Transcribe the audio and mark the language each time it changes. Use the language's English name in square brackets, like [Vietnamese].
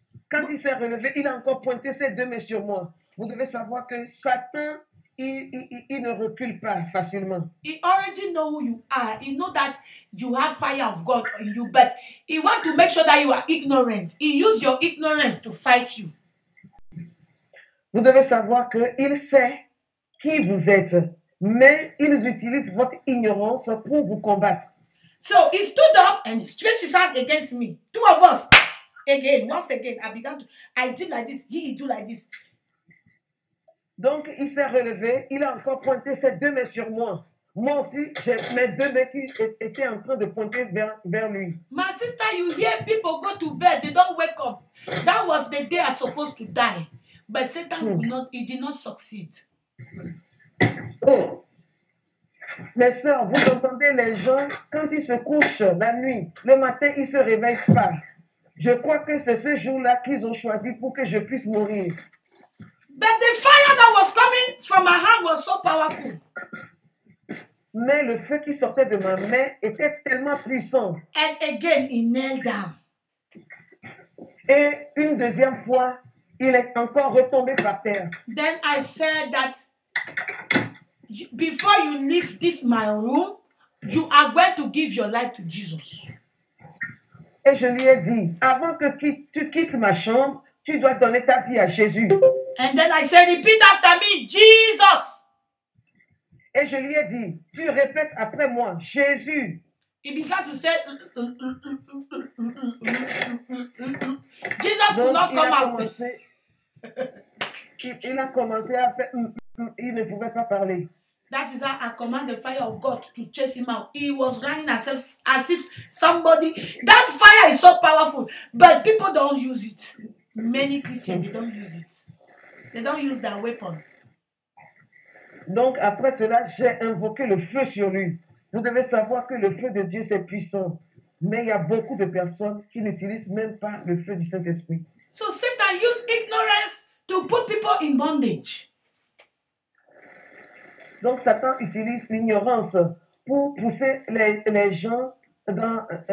[French] Quand il s'est relevé, il a encore pointé ses deux mains sur moi. Vous devez savoir que Satan, il ne recule pas facilement. [English] He already know who you are. He know that you have fire of God in you, but he want to make sure that you are ignorant. He use your ignorance to fight you. [French] Vous devez savoir qu'il sait qui vous êtes, mais il utilise votre ignorance pour vous combattre. [English] So he stood up and he stretched his hand against me. Two of us. Again, once again, I did like this, he did like this. [French] Donc il s'est relevé, il a encore pointé ses deux mains sur moi. Moi aussi, j'ai mes deux mains qui étaient en train de pointer vers lui. [English] My sister, you hear people go to bed, they don't wake up. That was the day I was supposed to die. But Satan did not succeed. [French] Mes soeurs, vous entendez les gens quand ils se couchent la nuit, le matin, ils ne se réveillent pas. Je crois que c'est ce jour-là qu'ils ont choisi pour que je puisse mourir. [English] But the fire that was coming from my hand was so powerful. [French] Mais le feu qui sortait de ma main était tellement puissant. [English] And again, he knelt down. [French] Et une deuxième fois, il est encore retombé par terre. [English] Then I said that before you leave this my room, you are going to give your life to Jesus. [French] Et je lui ai dit, avant que tu quittes ma chambre, tu dois donner ta vie à Jésus. [English] And then I said, repeat after me, Jesus. [French] Et je lui ai dit, tu répètes après moi, Jésus. [English] He began to say, Jesus will not come out. [French] Il a commencé à faire, il ne pouvait pas parler. [English] That is how I command the fire of God to chase him out. He was running as if somebody, that fire is so powerful, but people don't use it. Many Christians, they don't use it. They don't use that weapon. [French] Donc après cela, j'ai invoqué le feu sur lui. Vous devez savoir que le feu de Dieu, c'est puissant. Mais il y a beaucoup de personnes qui n'utilisent même pas le feu du Saint-Esprit. [English] So Satan use ignorance to put people in bondage. [French] Donc Satan utilise l'ignorance pour pousser les gens dans...